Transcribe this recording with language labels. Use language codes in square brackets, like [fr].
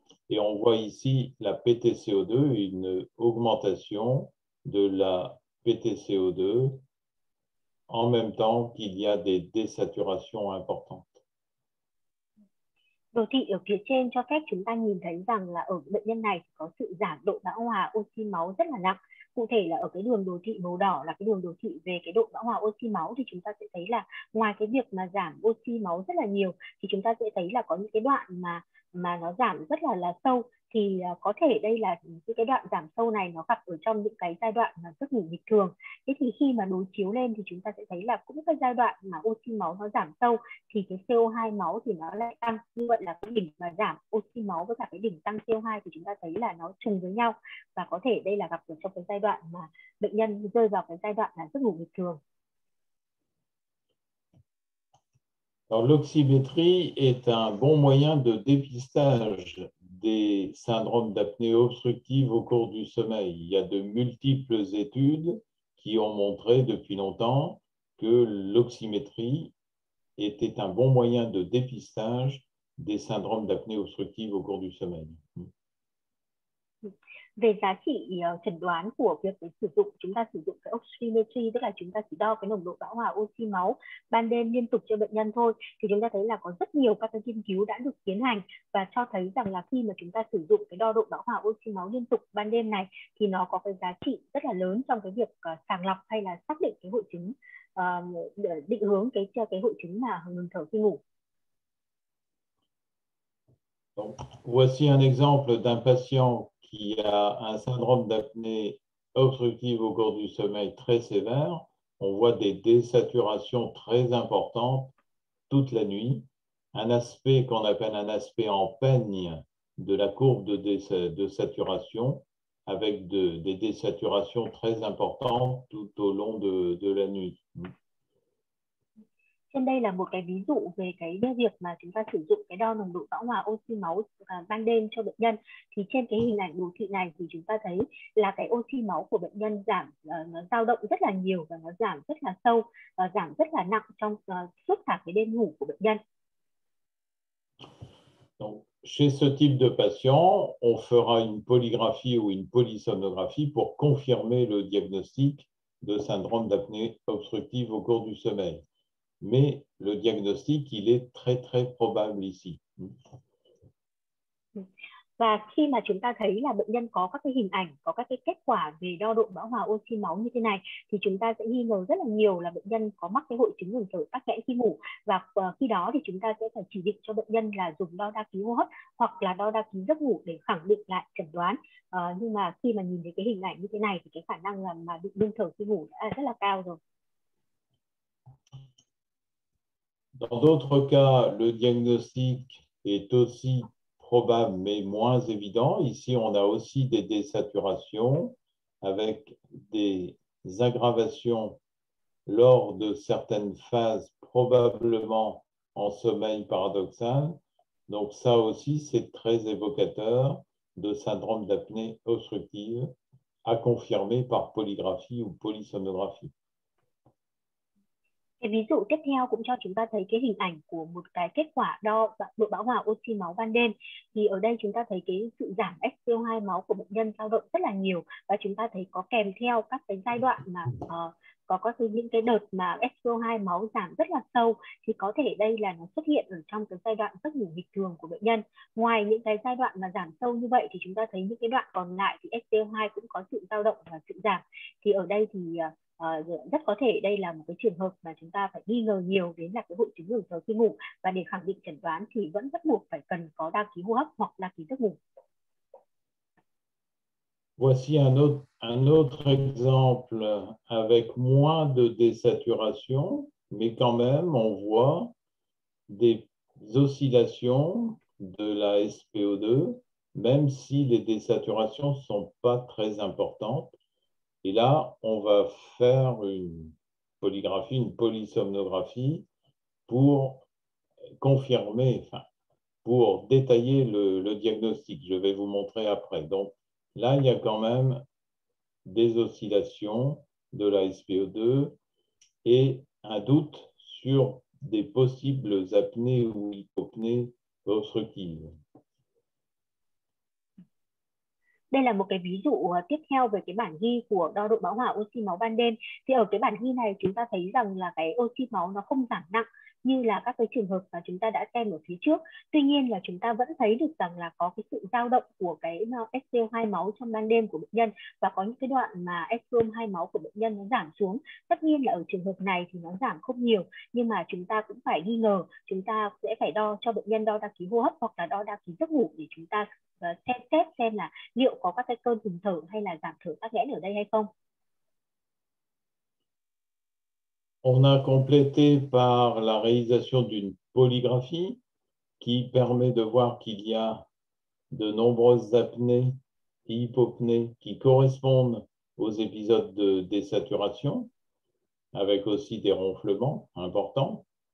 [fr] Et on voit ici la PTCO2, une augmentation de la PTCO2 en même temps qu'il y a des désaturations importantes. [vi] Đồ thị ở phía trên cho phép chúng ta nhìn thấy rằng là ở bệnh nhân này có sự giảm độ bão hòa oxy máu rất là nặng. Cụ thể là ở cái đường đồ thị màu đỏ là cái đường đồ thị về cái độ bão hòa oxy máu, thì chúng ta sẽ thấy là ngoài cái việc mà giảm oxy máu rất là nhiều thì chúng ta sẽ thấy là có những cái đoạn mà nó giảm rất là sâu. Thì có thể đây là những cái đoạn giảm sâu này nó gặp ở trong những cái giai đoạn mà giấc ngủ bình thường. Thế thì khi mà đối chiếu lên thì chúng ta sẽ thấy là cũng cái giai đoạn mà oxy máu nó giảm sâu thì cái CO2 máu thì nó lại tăng. Như vậy là cái đỉnh mà giảm oxy máu với cả cái đỉnh tăng CO2 thì chúng ta thấy là nó trùng với nhau. Và có thể đây là gặp ở trong cái giai đoạn mà bệnh nhân rơi vào cái giai đoạn là giấc ngủ bình thường. [fr] Alors, l'oxymétrie est un bon moyen de dépistage des syndromes d'apnée obstructive au cours du sommeil. Il y a de multiples études qui ont montré depuis longtemps que l'oxymétrie était un bon moyen de dépistage des syndromes d'apnée obstructive au cours du sommeil. [vi] Về giá trị chẩn đoán của việc sử dụng, chúng ta sử dụng cái oximetry, tức là chúng ta chỉ đo cái nồng độ bão hòa oxy máu ban đêm liên tục cho bệnh nhân thôi, thì chúng ta thấy là có rất nhiều các cái nghiên cứu đã được tiến hành và cho thấy rằng là khi mà chúng ta sử dụng cái đo độ bão hòa oxy máu liên tục ban đêm này thì nó có cái giá trị rất là lớn trong cái việc sàng lọc hay là xác định cái hội chứng, định hướng cái hội chứng mà ngừng thở khi ngủ. [fr] Voici un exemple d'un patient qui a un syndrome d'apnée obstructive au cours du sommeil très sévère. On voit des désaturations très importantes toute la nuit, un aspect qu'on appelle un aspect en peigne de la courbe de saturation, avec des désaturations très importantes tout au long de la nuit. [vi] Trên đây là một cái ví dụ về cái việc mà chúng ta sử dụng cái đo nồng độ bão hòa oxy máu ban đêm cho bệnh nhân. Thì trên cái hình ảnh đồ thị này thì chúng ta thấy là cái oxy máu của bệnh nhân giảm, nó dao động rất là nhiều và nó giảm rất là sâu, giảm rất là nặng trong suốt cả cái đêm ngủ của bệnh nhân. [fr] Donc, chez ce type de patient, on fera une polygraphie ou une polysomnographie pour confirmer le diagnostic de syndrome d'apnée obstructive au cours du sommeil. Mais le diagnostic, il est très très probable ici. [vi] Và khi mà chúng ta thấy là bệnh nhân có các cái hình ảnh, có các cái kết quả về đo độ bão hòa oxy máu như thế này, thì chúng ta sẽ nghi ngờ rất là nhiều là bệnh nhân có mắc cái hội chứng ngừng thở tắc nghẽn khi ngủ. Và khi đó thì chúng ta sẽ phải chỉ định cho bệnh nhân là dùng đo đa ký hô hấp hoặc là đo đa ký giấc ngủ để khẳng định lại chẩn đoán. Nhưng mà khi mà nhìn thấy cái hình ảnh như thế này thì cái khả năng là mà bị ngừng thở khi ngủ đã rất là cao rồi. [fr] Dans d'autres cas, le diagnostic est aussi probable mais moins évident. Ici, on a aussi des désaturations avec des aggravations lors de certaines phases, probablement en sommeil paradoxal. Donc ça aussi, c'est très évocateur de syndrome d'apnée obstructive à confirmer par polygraphie ou polysomnographie. [vi] Cái ví dụ tiếp theo cũng cho chúng ta thấy cái hình ảnh của một cái kết quả đo độ bão hòa oxy máu ban đêm. Thì ở đây chúng ta thấy cái sự giảm SpO2 máu của bệnh nhân dao động rất là nhiều và chúng ta thấy có kèm theo các cái giai đoạn mà có các những cái đợt mà SpO2 máu giảm rất là sâu, thì có thể đây là nó xuất hiện ở trong cái giai đoạn giấc ngủ bình thường của bệnh nhân. Ngoài những cái giai đoạn mà giảm sâu như vậy thì chúng ta thấy những cái đoạn còn lại thì SpO2 cũng có sự dao động và sự giảm. Thì ở đây thì rất có thể đây là một cái trường hợp mà chúng ta phải nghi ngờ nhiều đến là cái hội chứng ngừng thở khi ngủ, và để khẳng định chẩn đoán thì vẫn bắt buộc phải cần có đa ký hô hấp hoặc đa ký giấc ngủ. [fr] Voici un autre exemple avec moins de désaturation, mais quand même on voit des oscillations de la SpO2, même si les désaturations sont pas très importantes. Et là, on va faire une polygraphie, une polysomnographie pour confirmer, enfin, pour détailler le diagnostic. Je vais vous montrer après. Donc là, il y a quand même des oscillations de la SpO2 et un doute sur des possibles apnées ou hypopnées obstructives. [vi] Đây là một cái ví dụ tiếp theo về cái bản ghi của đo độ bão hòa oxy máu ban đêm. Thì ở cái bản ghi này chúng ta thấy rằng là cái oxy máu nó không giảm nặng, như là các cái trường hợp mà chúng ta đã xem ở phía trước. Tuy nhiên là chúng ta vẫn thấy được rằng là có cái sự dao động của cái SpO2 máu trong ban đêm của bệnh nhân, và có những cái đoạn mà SpO2 máu của bệnh nhân nó giảm xuống. Tất nhiên là ở trường hợp này thì nó giảm không nhiều, nhưng mà chúng ta cũng phải nghi ngờ, chúng ta sẽ phải đo cho bệnh nhân đo đa ký hô hấp hoặc là đo đa ký giấc ngủ để chúng ta xem là liệu có các cái cơn ngừng thở hay là giảm thở tắc nghẽn ở đây hay không. [fr] On a complété par la réalisation d'une polygraphie qui permet de voir qu'il y a de nombreuses apnées et hypopnées qui correspondent aux épisodes de désaturation, avec aussi des ronflements importants.